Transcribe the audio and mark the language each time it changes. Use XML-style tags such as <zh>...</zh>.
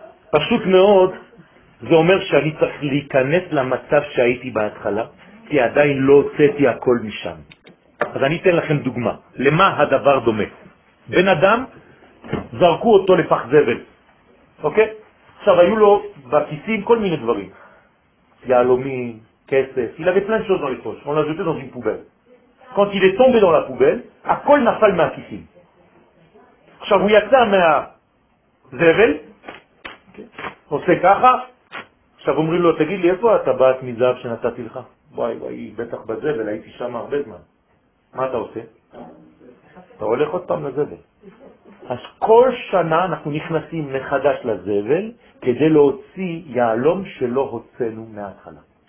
<he>פשוט מאוד, זה אומר שאני צריך להיכנס למצב שהייתי בהתחלה, כי עדיין לא הוצאתי הכל משם. אז אני אתן לכם דוגמה, למה הדבר דומה. בן אדם, זרקו אותו לפח זבל, אוקיי? עכשיו, היו לו בכיסים כל מיני דברים. יעלומים, כסף,</he> <fr>il avait plein de choses dans les poches. On l'a jeté dans une poubelle. Quand il est tombé dans la poubelle,</fr> <he>הכל נפל מהכיסים. עכשיו, הוא יצא מהזבל, עושה ככה, עכשיו אומרים לו, תגיד לי, איפה אתה באת מזהב שנתתי לך? וואי וואי, בטח בזבל, הייתי שם הרבה זמן. מה אתה עושה? אתה הולך עוד פעם לזבל. אז כל שנה אנחנו נכנסים מחדש לזבל, כדי להוציא יעלום שלא הוצאנו מההתחלה.</he>